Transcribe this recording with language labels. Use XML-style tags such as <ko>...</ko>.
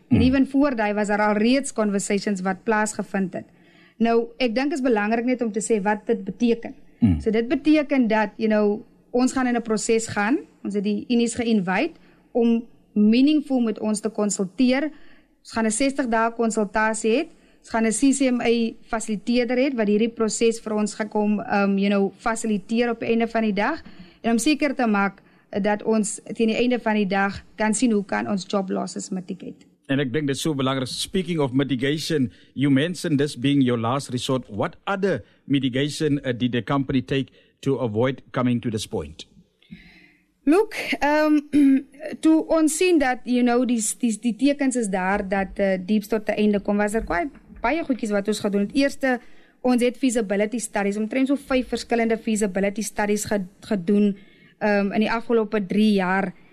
<af>En even voor die was daar al reeds conversations wat plaasgevind het. Nou, ek dink is belangrik net om te sê wat dit beteken. So dit beteken dat, ons gaan in 'n proses gaan, ons het die unies geïnvite, om meaningful met ons te konsulteer. Ons gaan 'n 60 dae konsultasie hê. gaan 'n CCMA fasiliteerder het wat hierdie proses vir ons gekom fasiliteer op die einde van die dag en om seker te maak dat ons teen die einde van die dag kan sien hoe kan ons</af> <en>job losses mitigate.</en> <af>En ek dink dit is so belangrik.</af> <en>Speaking of mitigation, you mentioned this being your last resort. What other mitigation did the company take to avoid coming to this point?</en> <af>Look, toe ons sien dat, die tekens is daar dat diep tot die einde kom, was er kwaad baie goedjies wat ons gedoen het. Eerste, ons het feasibility studies, omtrent so 5 verskillende feasibility studies gedoen in die afgelope 3 jaar.</af>